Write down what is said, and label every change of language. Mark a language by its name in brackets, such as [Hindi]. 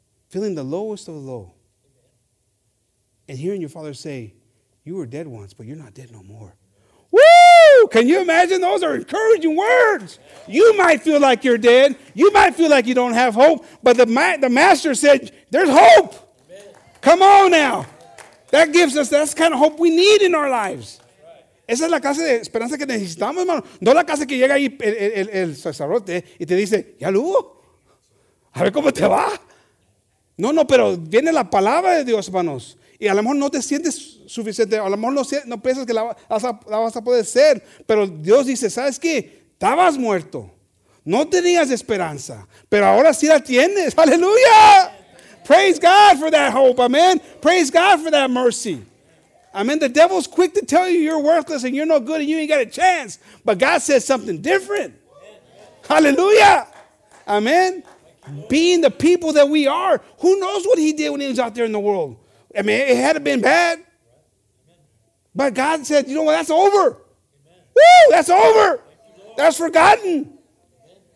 [English] Feeling the lowest of the low. And hearing your father say, you were dead once, but you're not dead no more. Can you imagine? Those are encouraging words. You might feel like you're dead. You might feel like you don't have hope. But the master said, there's hope. Amen. Come on now. That gives us, that's the kind of hope we need in our lives. [Spanish] Esa es la clase de esperanza que necesitamos, hermano. No la clase que llega ahí el sacerdote y te dice, ya lo hubo. A ver cómo te va. No, pero viene la palabra de Dios, hermanos. Y a lo mejor no te sientes suficiente, a lo mejor no piensas que la vas a poder ser, pero Dios dice, ¿sabes qué? Estabas muerto, no tenías esperanza, pero ahora sí la tienes, ¡aleluya! [English] Praise God for that hope, amen. Praise God for that mercy. Amen. The devil's quick to tell you you're worthless and you're no good and you ain't got a chance, but God says something different. ¡Aleluya! Amen. Being the people that we are, who knows what he did when he was out there in the world? I mean, it had been bad. But God said, you know what? That's over. Amen. Woo! That's over. That's forgotten. Amen.